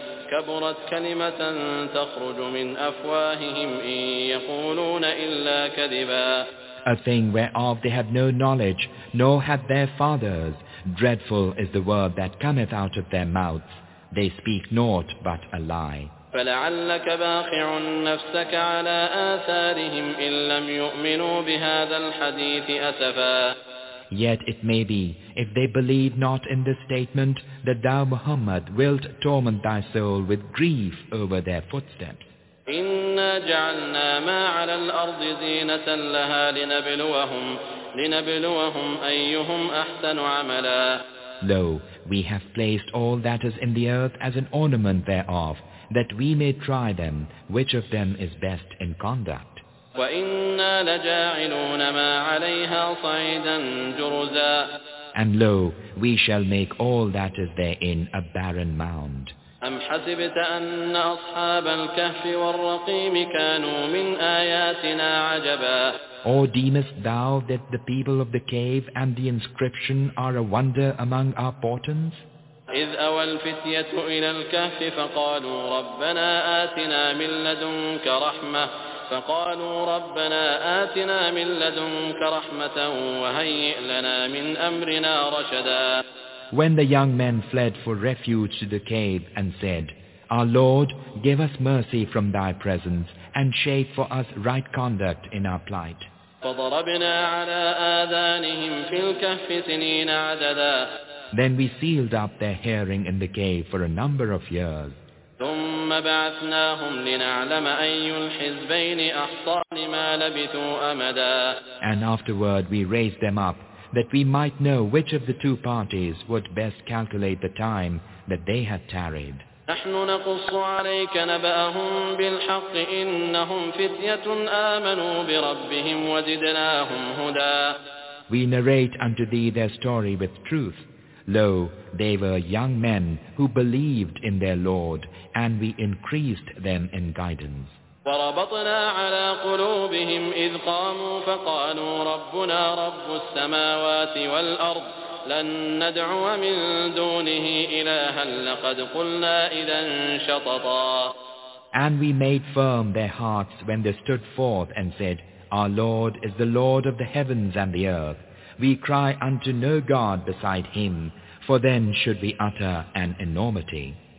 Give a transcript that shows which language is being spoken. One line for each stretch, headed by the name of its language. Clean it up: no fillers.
Arabic: كبرت كلمة تخرج من أفواههم إن يقولون إلا كذبا.
English: A thing whereof they have no knowledge, nor had their fathers. Dreadful is the word that cometh out of their mouths. They speak naught but a lie.
Arabic: فلعلك باخع نفسك على آثارهم إن لم يؤمنوا بهذا الحديث أسفا.
English: Yet it may be, if they believe not in this statement, that thou, Muhammad, wilt torment thy soul with grief over their footsteps.
Arabic: إِنَّا جَعَلْنَا مَا عَلَى الْأَرْضِ زِينَةً لَهَا لِنَبْلُوَهُمْ أَيُّهُمْ أَحْسَنُ عَمَلًا.
English: Lo, we have placed all that is in the earth as an ornament thereof, that we may try them, which of them is best in conduct.
Arabic: وَإِنَّا لَجَاعِلُونَ مَا عَلَيْهَا صَعِيدًا جُرُزًا.
English: And lo, we shall make all that is therein a barren mound.
Arabic: أَمْ حَسِبْتَ أَنَّ أَصْحَابَ الْكَهْفِ وَالرَّقِيمِ كَانُوا مِنْ آيَاتِنَا عَجَبًا.
English: Or deemest thou that the people of the cave and the inscription are a wonder among our portents?
Arabic: إذ أوى الفتية إلى الكهف فقالوا ربنا آتنا من لدنك رحمة فقالوا ربنا آتنا من لدنك رحمة وهيئ لنا من أمرنا رشدا.
English: When the young men fled for refuge to the cave and said, Our Lord, give us mercy from thy presence and shape for us right conduct in our plight.
Arabic: فضربنا على آذانهم في الكهف سنين عددا.
English: Then we sealed up their hearing in the cave for a number of years.
Arabic: ثم بعثناهم لنعلم أي الحزبين أحصى لما لبثوا أمدا.
English: And afterward we raised them up, that we might know which of the two parties would best calculate the time that they had tarried.
Arabic: نحن نقص عليك نبأهم بالحق إنهم فتية آمنوا بربهم وزدناهم هدى.
English: We narrate unto thee their story with truth. Lo, they were young men who believed in their Lord, and we increased them in guidance.
Arabic: وربطنا على قلوبهم إذ قاموا فقالوا ربنا رب السماوات والأرض لن ندعو من دونه إلها لقد قلنا إذا شططا.
English: And we made firm their hearts when they stood forth and said, Our Lord is the Lord of the heavens and the earth. We cry unto no God beside him, for then should we utter an enormity.